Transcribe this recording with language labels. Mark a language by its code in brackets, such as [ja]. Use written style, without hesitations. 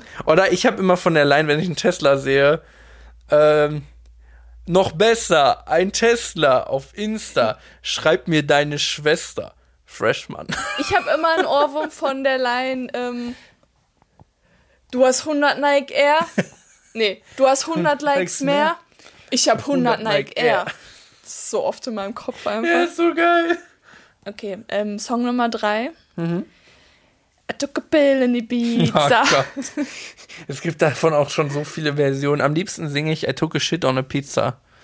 [de] Oder ich habe immer von der Line, wenn ich einen Tesla sehe, noch besser, ein Tesla auf Insta, schreib mir deine Schwester. Freshman. Ich habe immer einen Ohrwurm von der Line, du hast 100 Nike Air. Nee, du hast 100 Likes mehr. Ich habe 100 Nike Air. So oft in meinem Kopf einfach. Ja, ist so geil. Okay, Song Nummer 3. [en] Mhm. I took a pill in Ibiza. [de] Oh Gott. Es gibt davon auch schon so viele Versionen. Am liebsten singe ich [en] I took a shit on a pizza.